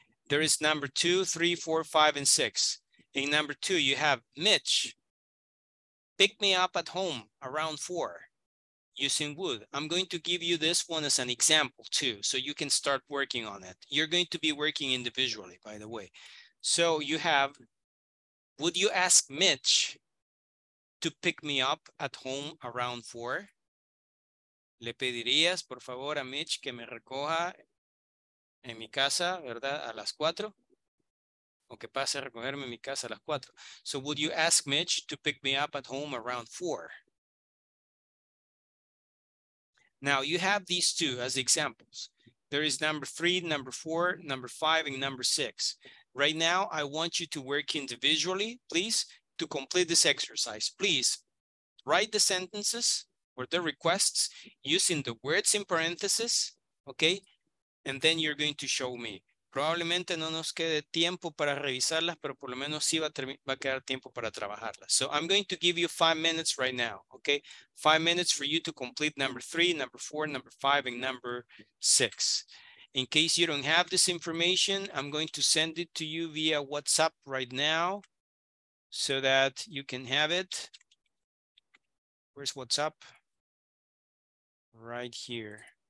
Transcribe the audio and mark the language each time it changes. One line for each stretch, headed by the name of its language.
English: There is number 2, 3, 4, 5, and 6. In number 2, you have Mitch, pick me up at home around 4 using would. I'm going to give you this one as an example too, so you can start working on it. You're going to be working individually, by the way. So you have, would you ask Mitch to pick me up at home around 4?
Spanish: ¿Le pedirías, por favor, a Mitch que me recoja en mi casa, verdad, a las 4? O que pase a recogerme en mi casa a las 4.
English: So would you ask Mitch to pick me up at home around 4? Now you have these two as examples. There is number 3, number 4, number 5, and number 6. Right now, I want you to work individually, please, to complete this exercise. Please write the sentences or the requests using the words in parentheses, okay? And then you're going to show me.
Spanish: Probablemente no nos quede tiempo para revisarlas, pero por lo menos sí va a quedar tiempo para trabajarlas.
English: So I'm going to give you 5 minutes right now, okay? 5 minutes for you to complete number 3, number 4, number 5, and number 6. In case you don't have this information, I'm going to send it to you via WhatsApp right now so that you can have it. Where's WhatsApp? Right here.